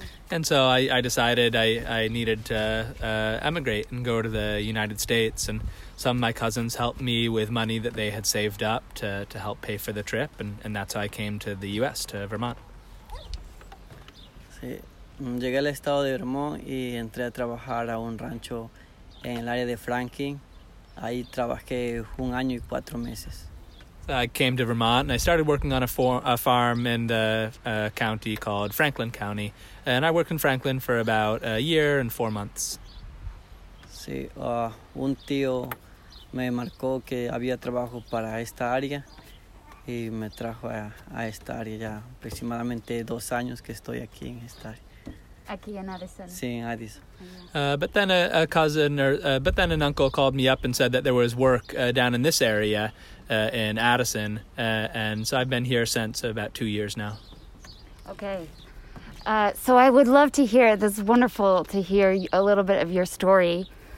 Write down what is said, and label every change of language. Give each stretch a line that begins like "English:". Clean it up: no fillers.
English: And so I decided I needed to emigrate and go to the United States, and some of my cousins helped me with money that they had saved up to help pay for the trip, and that's how I came to the U.S., to Vermont.
Spanish: Sí. Llegué al estado de Vermont y entré a trabajar a un rancho en el área de Franklin. Ahí trabajé 1 año y 4 meses.
English: I came to Vermont and I started working on a farm in a county called Franklin County. And I worked in Franklin for about 1 year and 4 months.
Spanish: Sí, un tío me marcó que había trabajo para esta área y me trajo a esta área ya aproximadamente 2 años que estoy aquí en esta área. Aquí en Addison. Sí, Addison.
English: But then a cousin or but then an uncle called me up and said that there was work down in this area in Addison, and so I've been here since about 2 years now. Okay. So I would love to hear, this is wonderful to hear a little bit of your story.